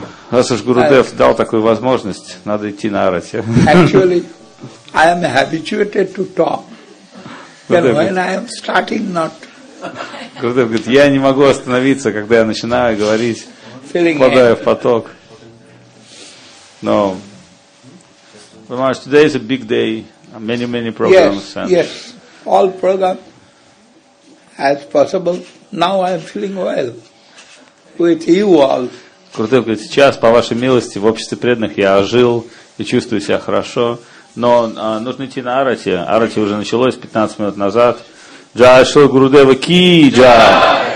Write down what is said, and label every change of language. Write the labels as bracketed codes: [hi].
[ru] Раз уж Гурудев дал такую возможность, надо идти на арати. [en] Actually, I am habituated to talk. And when I am starting not. [ru] Гурудев говорит, я не могу остановиться, когда я начинаю говорить, попадая в поток. [en] Но, Ramaj, today is a big day, many, many programs. Yes, yes, all programs as possible. Now I am feeling well with you all. [ru] Гурудев говорит, сейчас, по вашей милости, в обществе преданных я ожил и чувствую себя хорошо. Но нужно идти на арати. Арати уже началось 15 минут назад. Джай Шри Гурудева Ки, Джай!